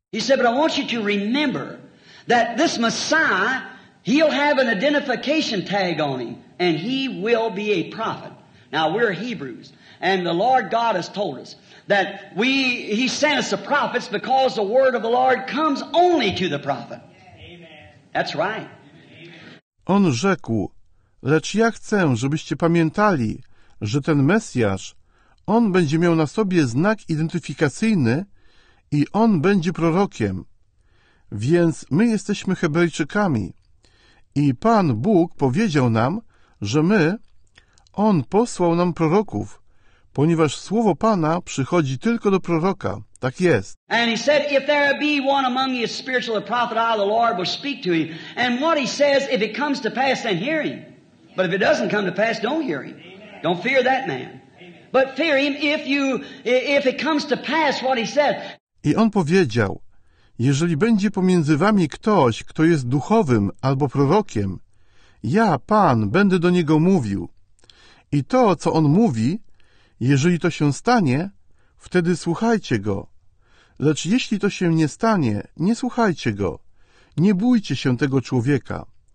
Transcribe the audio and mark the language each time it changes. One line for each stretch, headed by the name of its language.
English: He said, but I want you to remember that this Messiah, he'll have an identification tag on him and he will be a prophet. Now we're Hebrews and the Lord God has told us that he sent us the prophets because the word of the Lord comes only to the prophet. Amen. That's right.
Polish: On rzekł, lecz ja chcę, żebyście pamiętali, że ten Mesjasz, on będzie miał na sobie znak identyfikacyjny i on będzie prorokiem. Więc my jesteśmy Hebrajczykami i Pan Bóg powiedział nam, że my, on posłał nam proroków, ponieważ słowo Pana przychodzi tylko do proroka. Tak jest.
English: And he said, if there be one among you a spiritual prophet, I, the Lord, will speak to him. And what he says, if it comes to pass, then hear him. But if it doesn't come to pass, don't hear him. Amen. Don't fear that man. Amen. But fear him if it comes to pass what he said.
Polish: I on powiedział, jeżeli będzie pomiędzy wami ktoś, kto jest duchowym albo prorokiem, ja, Pan, będę do niego mówił. I to, co on mówi, jeżeli to się stanie, wtedy słuchajcie go. Lecz jeśli to się nie stanie, nie słuchajcie go. Nie bójcie się tego człowieka.